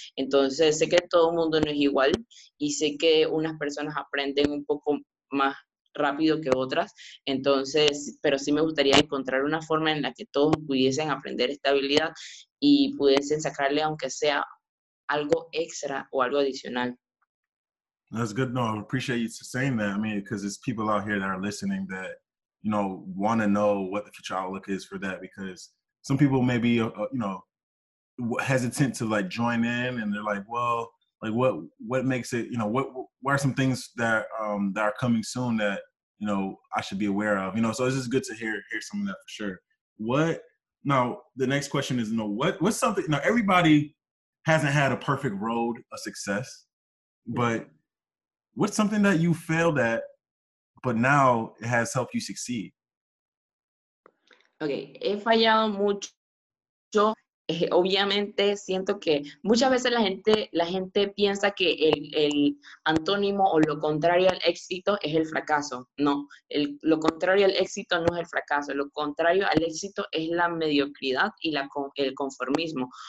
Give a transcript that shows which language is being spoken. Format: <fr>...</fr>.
<es>Entonces, sé que todo el mundo no es igual y sé que unas personas aprenden un poco más rápido que otras. Entonces, pero sí me gustaría encontrar una forma en la que todos pudiesen aprender esta habilidad y pudiesen sacarle, aunque sea algo extra o algo adicional.</es> <en>That's good. No, I appreciate you saying that. I mean, because there's people out here that are listening that, you know, want to know what the future outlook is for that, because some people may be, you know, hesitant to like join in, and they're like, well, like what makes it, you know, what are some things that are coming soon that, you know, I should be aware of, you know? So it's just good to hear some of that for sure. What, now the next question is, you know, what's something, you know, everybody hasn't had a perfect road of success, but what's something that you failed at, but now it has helped you succeed?</en> <es>Okay, he fallado mucho. Obviamente siento que muchas veces la gente piensa que el antónimo o lo contrario al éxito es el fracaso. No, lo contrario al éxito no es el fracaso. Lo contrario al éxito es la mediocridad y el conformismo.</es>